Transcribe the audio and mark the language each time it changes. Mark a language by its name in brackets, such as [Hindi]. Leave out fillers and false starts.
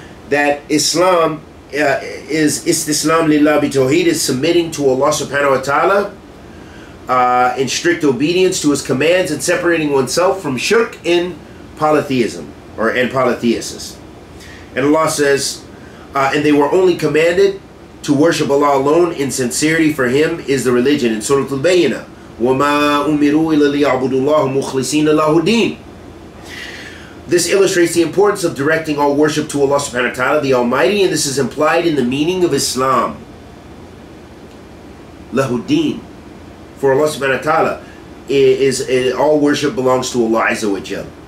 [English] That Islam is istislam lillah bi tawheed, is submitting to Allah subhanahu wa ta'ala in strict obedience to His commands and separating oneself from shirk in polytheism or in polytheists. And Allah says, and they were only commanded to worship Allah alone in sincerity, for Him is the religion. In Surah Al-Bayyinah, [Arabic] وَمَا أُمِرُوا إِلَّا لِيَعْبُدُوا اللَّهُ مُخْلِصِينَ لَهُ الدِّينَ. [English] This illustrates the importance of directing all worship to Allah subhanahu wa ta'ala, the Almighty, and this is implied in the meaning of Islam. Lahuddin. For Allah subhanahu wa ta'ala, all worship belongs to Allah Azza wa Jal.